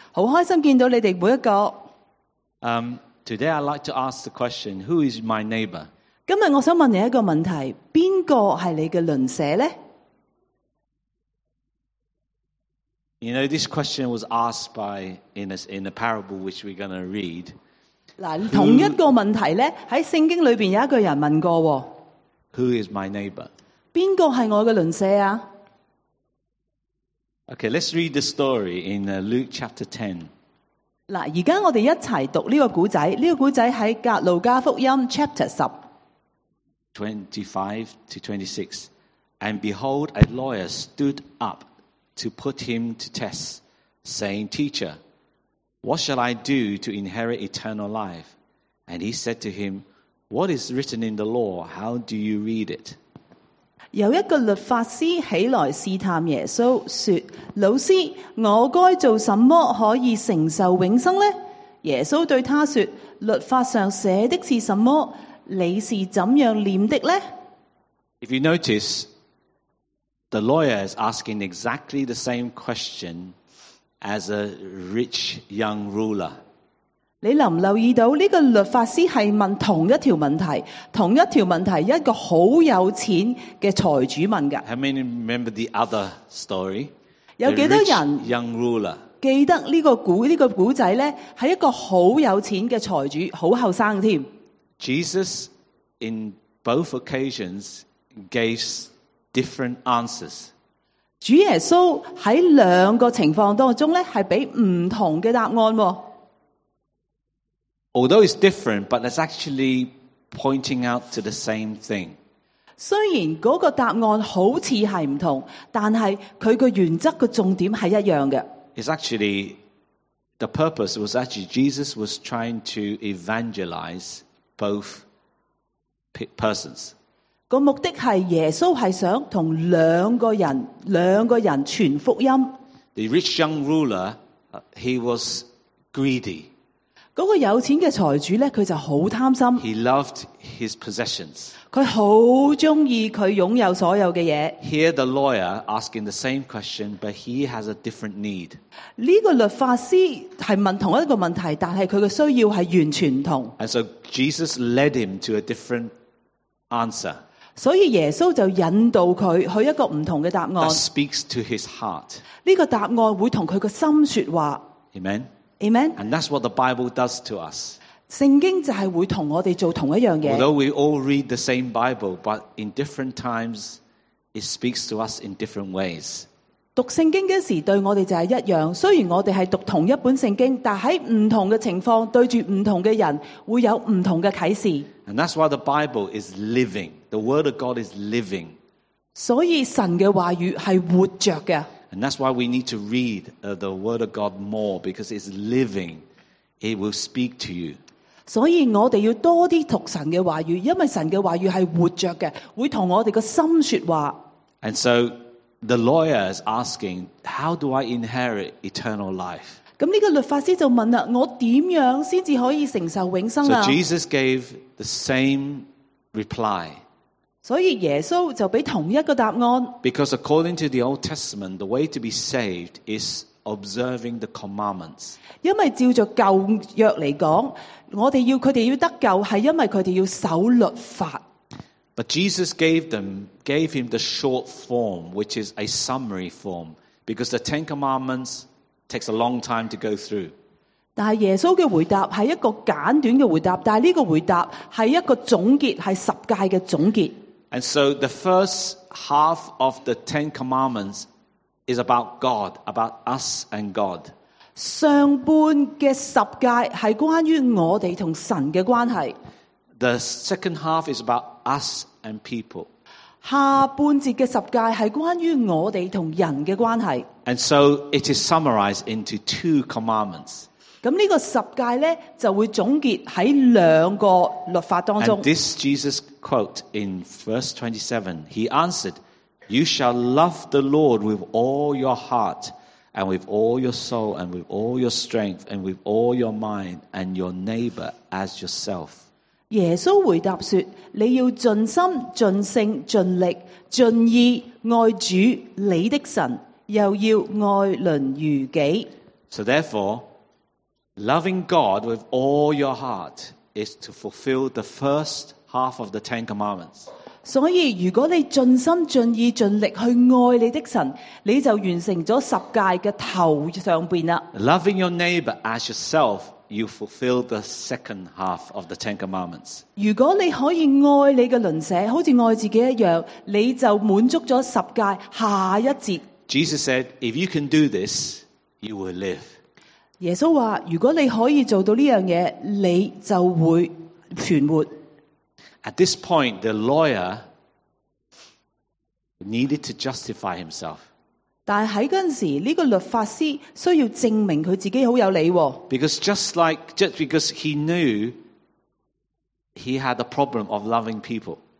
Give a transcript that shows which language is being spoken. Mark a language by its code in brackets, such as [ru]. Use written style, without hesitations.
[zh] 好开心见到你哋每一个。 [en] Today I'd like to ask the question, who is my neighbor? [zh] 今日我想问你一个问题，边个系你嘅邻舍呢？ [en] You know, this question was asked by in a parable which we're going to read. [zh] 同一个问题呢，在圣经里面有一个人问过， [en] Who is my neighbor? [zh] 边个是我的邻舍啊？ [en] Okay, let's read the story in Luke chapter 10. [zh] 现在我们一起读这个故事，这个故事在格路加福音 chapter 10 [en] 25-26. And behold, a lawyer stood up to put him to test, saying, Teacher,What shall I do to inherit eternal life? And he said to him, What is written in the law? How do you read it? [zh] 有一个律法师起来试探耶稣，说：老师，我该做什么可以承受永生呢？耶稣对他说：律法上写的是什么？你是怎样念的呢？ [en] If you notice, the lawyer is asking exactly the same question. As a rich young ruler, [zh] 你留唔留意到呢个律法师系问同一条问题，同一条问题一个好有钱嘅财主问噶。 [en] How many remember the other story? [zh] 有几多人 [en] young ruler [zh] 记得呢个古呢个古仔咧？系一个好有钱嘅财主，好后生添。 [en] Jesus in both occasions gave different answers. [zh] 主耶稣在两个情况当中呢，是给不同的答案。 [en] Although it's different, but it's actually pointing out to the same thing. [zh] 虽然那个答案好像是不同，但是它的原则的重点是一样的。 [en] It's actually, the purpose was actually Jesus was trying to evangelize both persons. [zh] 个目的是耶稣是想跟两个人传福音。 [en] The rich young ruler, he was greedy. [zh] 那个有钱的财主呢，他就很贪心。 [en] He loved his possessions. [zh] 他很喜欢他拥有所有的东西。 [en] Here the lawyer asking the same question, but he has a different need. [zh] 这个律法师是问同一个问题，但是他的需要是完全不同。 [en] And so Jesus led him to a different answer. [zh] 所以耶稣就引导他去一个不同的答案。 [en] That speaks to his heart. [zh] 这个答案会跟他的心说话。 [en] Amen. Amen. And that's what the Bible does to us. [zh] 圣经就是会跟我们做同一样东西。 [en] Although we all read the same Bible, but in different times, it speaks to us in different ways. [zh] 读圣经的时候对我们就是一样，虽然我们是读同一本圣经，但在不同的情况对着不同的人会有不同的启示。 [en] And that's why the Bible is living. The word of God is living. [zh] 所以神的话语是活着的。 [en] And that's why we need to read the word of God more, because it's living. It will speak to you. [zh] 所以我们要多点读神的话语，因为神的话语是活着的，会跟我们的心说话。 [en] And so the lawyer is asking, how do I inherit eternal life? [zh] 那这个律法师就问了，我怎样才可以承受永生啊？ [en] So Jesus gave the same reply. [zh] 所以耶稣就给同一个答案。 [en] Because according to the Old Testament, the way to be saved is observing the commandments. [zh] 因为照着旧约来讲，我们要他们要得救，是因为他们要守律法。 [en] But Jesus gave him the short form, which is a summary form, because the Ten Commandments takes a long time to go through. [zh] 但耶稣的回答是一个简短的回答，但这个回答是一个总结，是十诫的总结。 [en] And so the first half of the Ten Commandments is about God, about us and God. [zh] 上半的十诫是关于我们跟神的关系。 [en] The second half is about us and people. [zh] 下半节的十诫是关于我们跟人的关系。 [en] And so it is summarized into two commandments. [zh] 咁呢个十诫咧就会总结喺两个律法当中。 [en] And this Jesus quote in verse 27, he answered, "You shall love the Lord with all your heart, and with all your soul, and with all your strength, and with all your mind, and your neighbor as yourself." [zh] 耶稣回答说：你要尽心、尽性、尽力、尽意爱主你的神，又要爱邻如己。 [en] So therefore, loving God with all your heart is to fulfill the first half of the Ten Commandments. [zh] 所以如果你尽心尽意尽力去爱你的神，你就完成了十诫的头上边了。 [en] Loving your neighbor as yourself,You fulfill the second half of the Ten Commandments. [zh] 如果你可以爱你的邻舍，好像爱自己一样，你就满足了十诫下一节。 [en] Jesus said, "If you can do this, you will live." [zh] 耶稣话：如果你可以做到呢样嘢，你就会存活。 [en] At this point, the lawyer needed to justify himself. [zh] 但是在那时候，这个律法师需要证明他自己很有理。 [en] Because just because he knew he had a problem of loving people.